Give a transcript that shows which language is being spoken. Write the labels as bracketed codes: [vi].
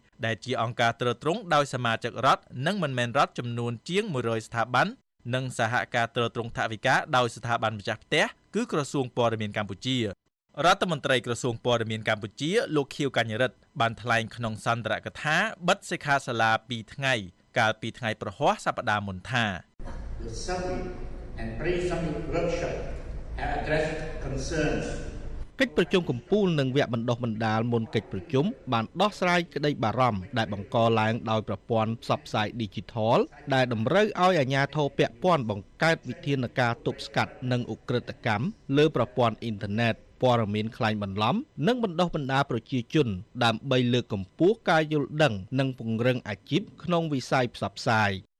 [km] ដែលជាអង្គការត្រួតត្រងដោយសមាជិករដ្ឋនិងមិនមែនរដ្ឋចំនួនជាង100ស្ថាប័ននិងសហការត្រួតត្រងថវិកាដោយស្ថាប័នម្ចាស់ផ្ទះគឺក្រសួងព័ត៌មានកម្ពុជារដ្ឋមន្ត្រីក្រសួងព័ត៌មានកម្ពុជាលោកខៀវកញ្ញរិទ្ធបានថ្លែងក្នុងសន្ទរកថាបិទសិក្ខាសាលា2ថ្ងៃកាលពីថ្ងៃប្រហ័សសប្តាហ៍មុនថា [en] The Summit and Pre-Summit Workshop have addressed concerns [km] កិច្ចប្រជុំកំពូលនិងវគ្គបណ្ដុះបណ្ដាលមុនកិច្ចប្រជុំបានដោះស្រាយក្តីបារម្ភដែលបង្កឡើងដោយប្រព័ន្ធផ្សព្វផ្សាយ Digital ដែលតម្រូវឲ្យអាជ្ញាធរពាក់ព័ន្ធបង្កើតវិធានការទប់ស្កាត់និងឧក្រិដ្ឋកម្មលើប្រព័ន្ធអ៊ីនធឺណិតព័ត៌មានក្លែងបន្លំនិងបណ្ដុះបណ្ដាលប្រជាជនដើម្បីលើកកម្ពស់ការយល់ដឹងនិងពង្រឹងអាជីពក្នុងវិស័យផ្សព្វផ្សាយ